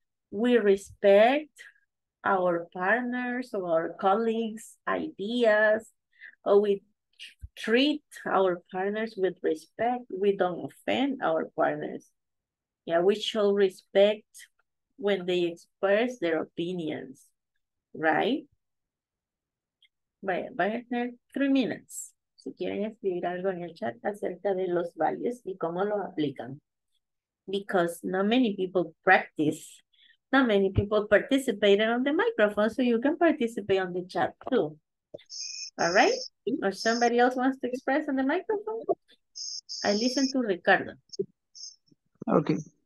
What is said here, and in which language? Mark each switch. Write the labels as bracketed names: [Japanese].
[English] We respect our partners or our colleagues' ideas, or we treat our partners with respect. We don't offend our partners. Yeah, we show respect when they express their opinions, right? [Spanish] Vaya, vaya a tener 3 minutes. Si quieren escribir algo en el chat acerca de los values y cómo lo aplican. [English] Because not many people practice, not many people participated on the microphone, so you can participate on the chat too. All right? Or somebody else wants to express on the microphone? I listen to Ricardo. Okay.